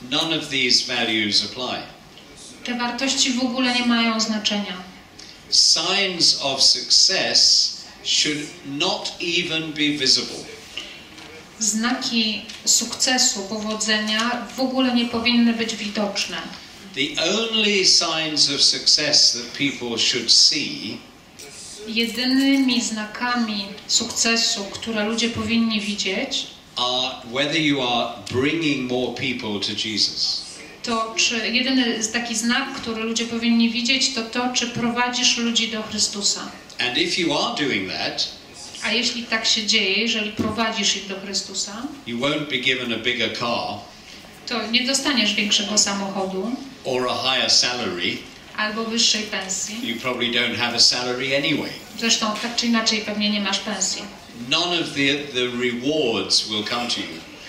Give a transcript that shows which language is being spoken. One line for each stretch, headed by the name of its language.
English: none of these values apply.
Polish: Te wartości w ogóle nie mają znaczenia.
English: Signs of success should not even be visible.
Polish: znaki sukcesu, powodzenia w ogóle nie powinny być widoczne.
English: The only signs of success that people should see.
Polish: Jedynymi znakami sukcesu, które ludzie powinni widzieć,
English: are whether you are bringing more people to Jesus.
Polish: To czy jedyny taki znak, który ludzie powinni widzieć, to to, czy prowadzisz ludzi do Chrystusa.
English: And if you are doing that,
Polish: a jeśli tak się dzieje, jeżeli prowadzisz ich do Chrystusa,
English: you won't be given a bigger car,
Polish: to nie dostaniesz większego samochodu
English: or a higher salary,
Polish: albo wyższej pensji.
English: You probably don't have a salary anyway.
Polish: Zresztą tak czy inaczej pewnie nie masz pensji.
English: None of the rewards will come to you.